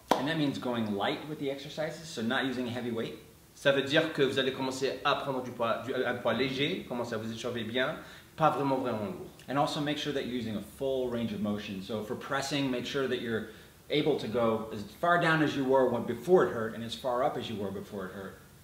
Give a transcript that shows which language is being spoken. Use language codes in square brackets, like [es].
[en] And that means going light with the exercises, so not using heavy weight. [fr] Ça veut dire que vous allez commencer à prendre un poids léger, commencer à vous échauffer bien, pas vraiment lourd. [en] And also make sure that you're using a full range of motion. So for pressing, make sure that you're able to go as far down as you were before it hurt and as far up as you were before it hurt.